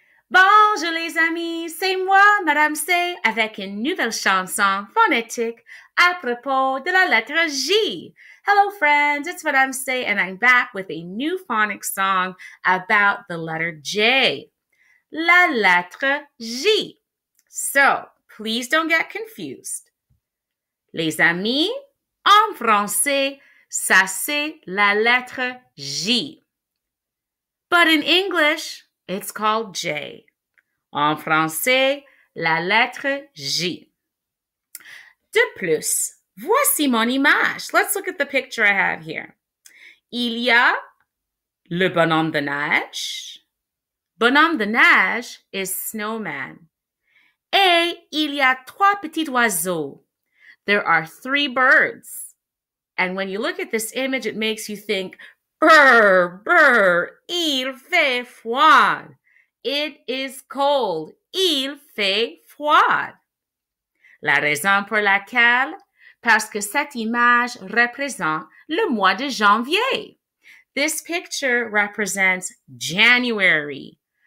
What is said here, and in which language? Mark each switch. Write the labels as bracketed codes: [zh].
[fr] Bonjour les amis, c'est moi, Madame C, avec une nouvelle chanson phonétique à propos de la lettre J. [en] Hello friends, it's Madame C and I'm back with a new phonics song about the letter J. [fr] La lettre J. [en] So, please don't get confused. [fr] Les amis, en français, ça c'est la lettre J. [en] But in English, it's called J. [fr] En français, la lettre J. De plus, voici mon image. [en] Let's look at the picture I have here. [fr] Il y a le bonhomme de neige. Bonhomme de neige [en] is snowman. [fr] Et il y a trois petits oiseaux. [en] There are three birds. And when you look at this image, it makes you think, brr, brr, [fr] il fait froid. [en] It is cold. [fr] Il fait froid. La raison pour laquelle? Parce que cette image représente le mois de janvier. [en] This picture represents January.